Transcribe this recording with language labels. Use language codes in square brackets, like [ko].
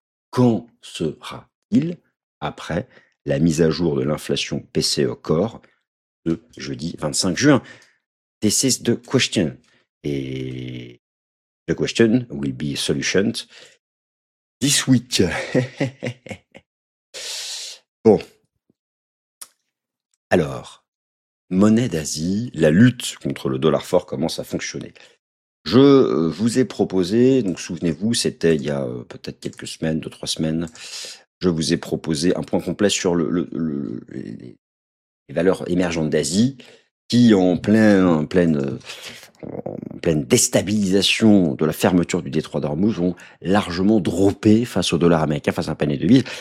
[fr] Quand sera-t-il après la mise à jour de l'inflation PCE core de jeudi 25 juin. [en] This is the question. Et the question will be solutioned this week. [fr] Bon. Alors, monnaie d'Asie, la lutte contre le dollar fort commence à fonctionner. Je vous ai proposé, donc souvenez-vous, c'était il y a peut-être quelques semaines, 2-3 semaines, je vous ai proposé un point complet sur les valeurs émergentes d'Asie qui, en pleine déstabilisation de la fermeture du détroit d'Ormuz, ont largement droppé face au dollar américain, face à un panier de devises.